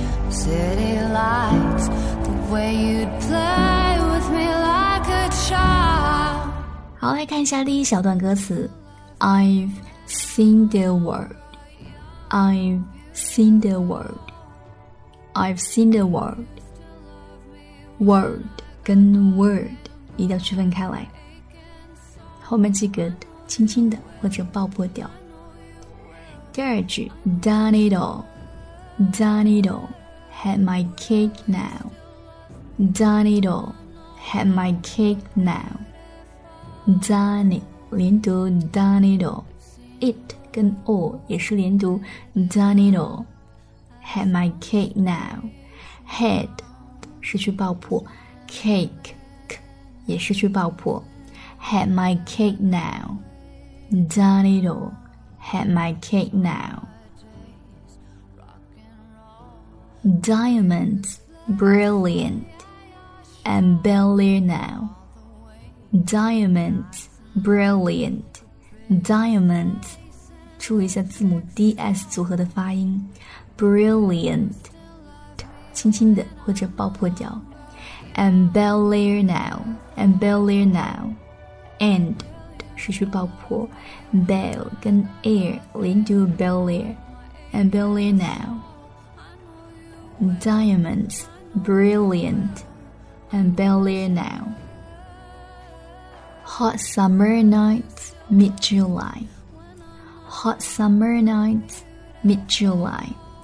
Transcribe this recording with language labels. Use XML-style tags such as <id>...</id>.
<en>City lights, the way you'd play with me like a child.</en> <zh>好，来看一下第一小段歌词。</zh> <en>I've seen the world. I've seen the world. I've seen the world.</en> <zh>World 跟 word 一定要区分开来。后面几个轻轻的或者爆破掉。第二句</zh> <en>，Done it all. Done it all, had my cake now. Done it all, had my cake now. Done it, 连读 done it all. It 跟 all</en> <zh>也是连读</zh> <en>done it all. Had my cake now. Had</en> <zh>是去爆破</zh> <en>cake</en> <zh>也是去爆破</zh> <en>Had my cake now. Done it all, had my cake now. Diamonds, brilliant, and belier now. Diamonds, brilliant, diamonds.</en> <zh>注意一下字母 DS 组合的发音 Brilliant, 轻轻的或者爆破掉</zh> <en>And belier now, and belier now. And,</en> <zh>失去爆破</zh> <en>Bell 跟 air 连读 belier, and belier now. Diamonds, brilliant, and belier now. Hot summer nights, mid-July. Hot summer nights, mid-July.</en>